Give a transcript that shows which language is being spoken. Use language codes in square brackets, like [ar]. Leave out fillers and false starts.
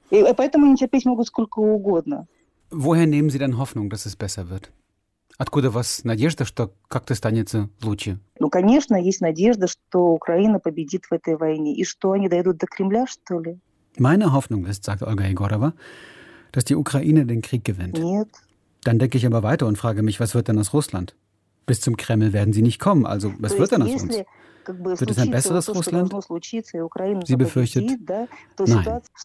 [de] Woher nehmen Sie denn Hoffnung, dass es besser wird? [ru] Откуда у вас надежда, что как-то станет лучше? Ну, конечно, есть надежда, что Украина победит в этой войне. И что, они дойдут до Кремля, что ли? [de] Meine Hoffnung ist, sagt Olga Егорова, dass die Ukraine den Krieg gewinnt. [ru] Нет. [de] Dann denke ich aber weiter und frage mich, was wird denn aus Russland? Bis zum Kreml werden sie nicht kommen, also was wird denn aus uns? Wird es ein besseres Russland? Sie befürchtet, nein.